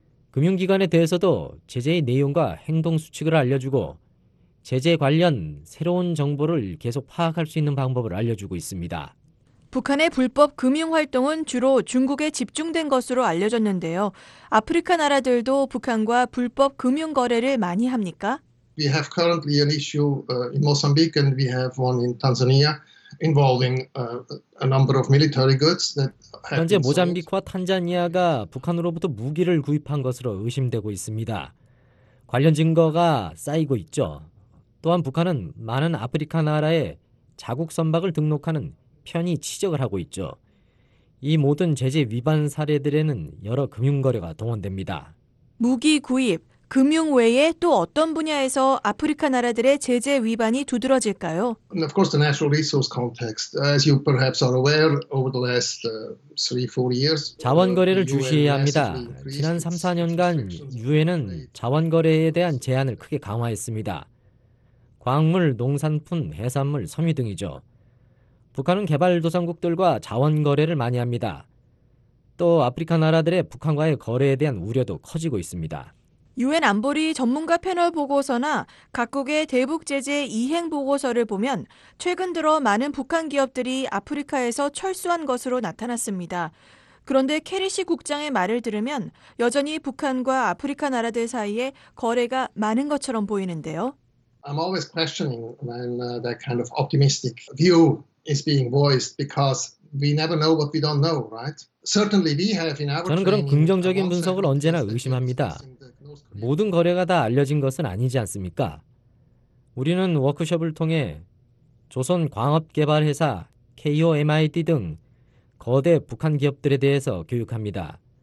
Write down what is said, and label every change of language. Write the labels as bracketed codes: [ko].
[ko] 금융기관에 대해서도 제재의 내용과 행동 수칙을 알려주고 제재 관련 새로운 정보를 계속 파악할 수 있는 방법을 알려주고 있습니다. 북한의 불법 금융활동은 주로 중국에 집중된 것으로 알려졌는데요. 아프리카 나라들도 북한과 불법 금융거래를 많이 합니까? [en] We have currently an issue in Mozambique and we have one in Tanzania involving a number of military goods that [ko] 현재 모잠비크와 탄자니아가 북한으로부터 무기를 구입한 것으로 의심되고 있습니다. 관련 증거가 쌓이고 있죠. 또한 북한은 많은 아프리카 나라에 자국 선박을 등록하는 편의 취적을 하고 있죠. 이 모든 제재 위반 사례들에는 여러 금융거래가 동원됩니다. 무기 구입, 금융 외에 또 어떤 분야에서 아프리카 나라들의 제재 위반이 두드러질까요? [en] And of course, the natural resource context, as you perhaps are aware, over the last 3-4 years. [ko] 자원 거래를 주시해야 합니다. 지난 3-4년간 유엔은 자원 거래에 대한 제한을 크게 강화했습니다. 광물, 농산품, 해산물, 섬유 등이죠. 북한은 개발도상국들과 자원 거래를 많이 합니다. 또 아프리카 나라들의 북한과의 거래에 대한 우려도 커지고 있습니다. 유엔 안보리 전문가 패널 보고서나 각국의 대북 제재 이행 보고서를 보면 최근 들어 많은 북한 기업들이 아프리카에서 철수한 것으로 나타났습니다. 그런데 캐리시 국장의 말을 들으면 여전히 북한과 아프리카 나라들 사이에 거래가 많은 것처럼 보이는데요. [en] I'm always questioning when that kind of optimistic view is being voiced because we never know what we don't know, right? Certainly we have in our [ko] 저는 그런 긍정적인 분석을 언제나 의심합니다. 모든 거래가 다 알려진 것은 아니지 않습니까? 우리는 워크숍을 통해 조선 광업 개발 회사 KOMID 등 거대 북한 기업들에 대해서 교육합니다.